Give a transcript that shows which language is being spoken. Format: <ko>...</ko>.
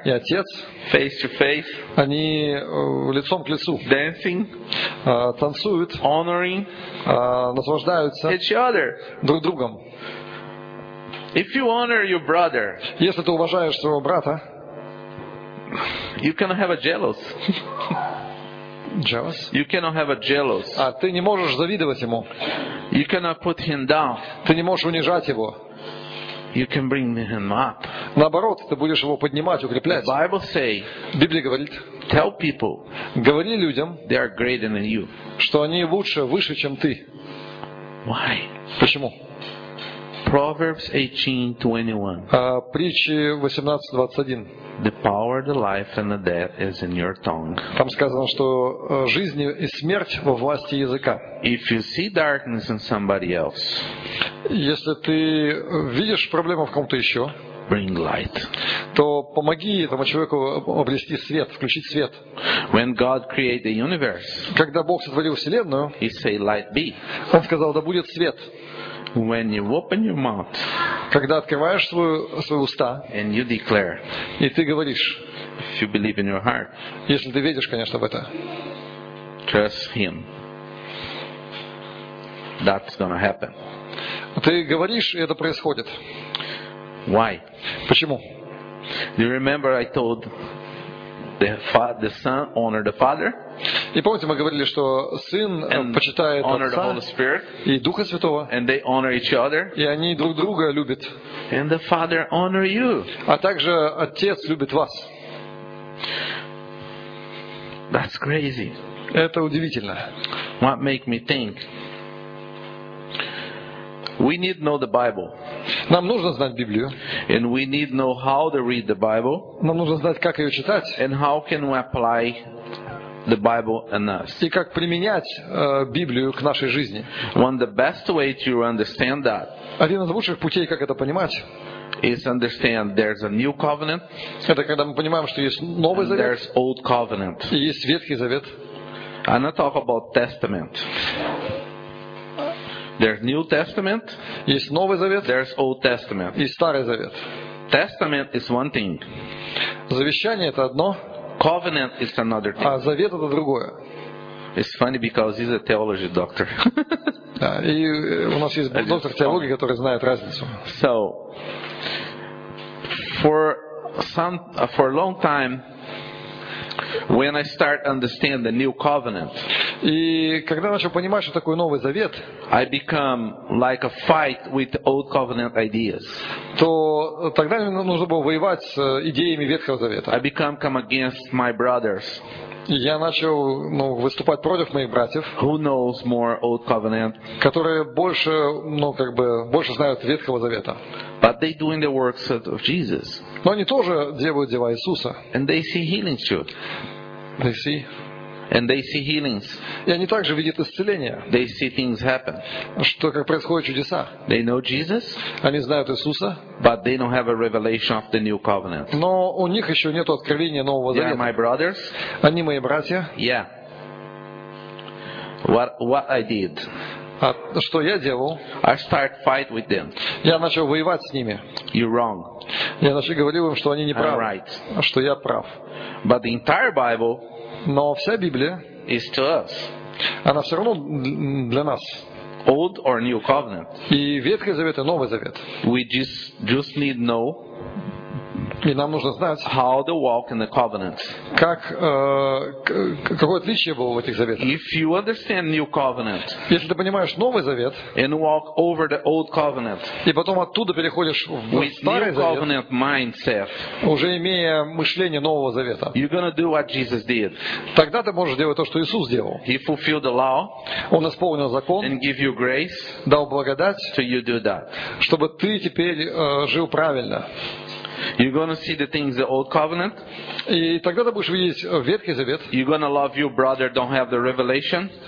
<ru>И Отец.</ru> <en>Face to face.</en> <ru>Они лицом к лицу.</ru> <en>Dancing.</en> <ru>Танцуют.</ru> <en>Honoring.</en> <ru>Наслаждаются.</ru> <en>Each other.</en> <ru>Друг другом.</ru> <en>If you honor your brother.</en> <ru>Если ты уважаешь своего брата.</ru> <en>You cannot have a jealous. Jealous? You cannot have a jealous.</en> <ru>А ты не можешь завидовать ему.</ru> <en>You cannot put him down.</en> <ru>Ты не можешь унижать его.</ru> <en>You can bring him up.</en> <ru>Наоборот, ты будешь его поднимать, укреплять.</ru> <en>Bible say.</en> <ru>Библия говорит.</ru> <en>Tell people.</en> <ru>Говори людям.</ru> <en>They are greater than you.</en> <ru>Что они лучше, выше, чем ты.</ru> <en>Why?</en> <ru>Почему?</ru> <en>Proverbs 18:21.</en> <ru>Притчи 18:21.</ru> <en>The power, the life, and the death is in your tongue.</en> <ru>Там сказано, что жизнь и смерть во власти языка.</ru> <en>If you see darkness in somebody else.</en> <ru>Если ты видишь проблему в ком-то еще,</ru> <en>bring light.</en> <ru>То помоги этому человеку обрести свет, включить свет.</ru> <en>When God created the universe,</en> <ru>когда Бог сотворил вселенную,</ru> <en>he say, light be.</en> <ru>Он сказал, да будет свет.</ru> <en>When you open your mouth,</en> <ru>когда открываешь свои уста,</ru> <en>and you declare,</en> <ru>и ты говоришь,</ru> <en>if you believe in your heart,</en> <ru>если ты веришь, конечно, в это,</ru> <en>trust him, that's gonna happen.</en> <ru>Ты говоришь, и это происходит.</ru> <en>Why?</en> <ru>Почему?</ru> <en>Do you remember I told the Son honor the Father?</en> <ru>И помните, мы говорили, что Сын почитает Отца</ru> <en>Spirit,</en> <ru>и Духа Святого,</ru> <en>and they honor each other,</en> <ru>и они друг друга любят.</ru> <en>And the Father honor you.</en> <ru>А также Отец любит вас.</ru> <en>That's crazy.</en> <ru>Это удивительно.</ru> <en>What make me think? We need know the Bible.</en> <ru>Нам нужно знать Библию.</ru> <en>And we need know how to read the Bible.</en> <ru>Нам нужно знать, как её читать.</ru> <en>And how can we apply the Bible in us?</en> <ru>И как применять Библию к нашей жизни?</ru> <en>One of the best way to understand that.</en> <ru>Один из лучших путей, как это понимать?</ru> <en>Is understand there's a new covenant.</en> <ru>Это когда мы понимаем, что есть новый завет.</ru> <en>There's old covenant.</en> <ru>И есть ветхий завет.</ru> <en>I'm not talking about testament. There's new testament.</en> <ru>Есть новый завет.</ru> <en>There's old testament.</en> <ru>И старый завет.</ru> <en>Testament is one thing.</en> <ru>Завещание это одно.</ru> <en>Covenant is another thing.</en> <ru>А завет это другое.</ru> <en>It's funny because he's a theology doctor.</en> <ru>Да, и у нас есть доктор теологии, который знает разницу.</ru> <en>So, for a long time, when I start understand the new covenant,</en> <ru>и когда начал понимать, что такое новый завет,</ru> <en>I become like a fight with old covenant ideas.</en> <ru>То тогда мне нужно было воевать с идеями ветхого завета.</ru> <en>I become come against my brothers.</en> <ru>Я начал, ну, выступать против моих братьев.</ru> <en>Who knows more old covenant?</en> <ru>Которые больше, ну, как бы, больше знают Ветхого Завета.</ru> <en>But they doing the works of Jesus.</en> <ru>Но они тоже делают дела Иисуса.</ru> <en>And they see healings too. They see. And they see healings.</en> <ru>И они также видят исцеления.</ru> <en>They see things happen.</en> <ru>Что как происходят чудеса?</ru> <en>They know Jesus.</en> <ru>Они знают Иисуса.</ru> <en>But they don't have a revelation of the new covenant.</en> <ru>Но у них еще нету откровения нового завета.</ru> <en>Yeah, my brothers.</en> <ru>Они мои братья.</ru> <en>Yeah. What I did?</en> <ru>А что я делал?</ru> <en>I start fight with them.</en> <ru>Я начал воевать с ними.</ru> <en>You're wrong.</en> <ru>Я начал говорить им, что они не правы.</ru> <en>I'm right.</en> <ru>Что я прав.</ru> <en>But the entire Bible.</en> <ru>Но вся Библия</ru> <en>is to us.</en> <ru>Она все равно для нас.</ru> <en>Old or new covenant.</en> <ru>И Ветхий Завет и Новый Завет.</ru> <en>We just need know.</en> <ru>И нам нужно знать.</ru> <en>How to walk in the covenant.</en> <ru>Как какое отличие было в этих заветах?</ru> <en>If you understand new covenant.</en> <ru>Если ты понимаешь Новый Завет.</ru> <en>And walk over the old covenant.</en> <ru>И потом оттуда переходишь в Старый Завет.</ru> <en>With new covenant mindset.</en> <ru>Уже имея мышление Нового Завета.</ru> <en>You're gonna do what Jesus did.</en> <ru>Тогда ты можешь делать то, что Иисус сделал.</ru> <en>He fulfilled the law.</en> <ru>Он исполнил закон.</ru> <en>And give you grace.</en> <ru>Дал благодать.</ru> <en>So you do that.</en> <ru>Чтобы ты теперь жил правильно.</ru> <en>You're going to see the things the old covenant.</en> <ru>И тогда ты будешь видеть Ветхий Завет.</ru> <en>You're going to love your brother don't have the revelation.</en>